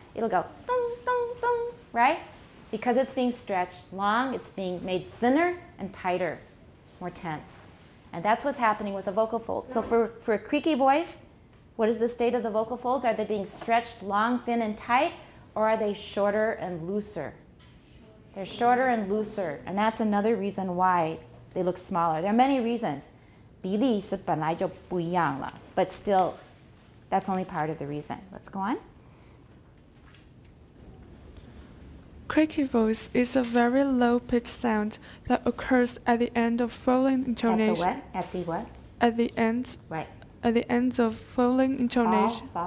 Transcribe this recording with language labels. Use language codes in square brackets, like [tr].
[en] It'll go dung, dung, dung, right? Because it's being stretched long, it's being made thinner and tighter, more tense. And that's what's happening with the vocal folds. So for a creaky voice, what is the state of the vocal folds? Are they being stretched long, thin, and tight? Or are they shorter and looser? They're shorter and looser. And that's another reason why they look smaller. There are many reasons. [zh] 比例是本来就不一样了。 [en] But still, that's only part of the reason. Let's go on. Creaky voice is a very low-pitched sound that occurs at the end of falling intonation. At the end of falling intonation.